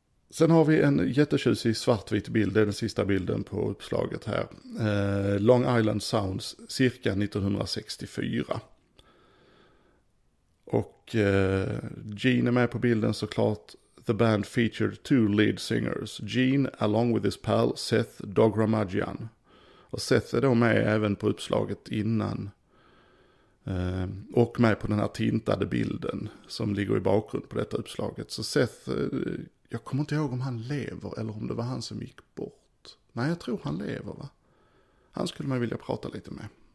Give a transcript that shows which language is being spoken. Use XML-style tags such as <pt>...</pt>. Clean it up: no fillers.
<sv>Sen har vi en jättetjusig svartvit bild. Det är den sista bilden på uppslaget här. Long Island Sounds cirka 1964. Och Gene är med på bilden såklart.</sv> <en>The band featured two lead singers. Gene along with his pal Seth Dogramajian.</en> <sv>Och Seth är då med även på uppslaget innan. Och med på den här tintade bilden som ligger i bakgrund på detta uppslaget. Så Seth, jag kommer inte ihåg om han lever eller om det var han som gick bort. Nej, jag tror han lever, va? Han skulle man vilja prata lite med.</sv>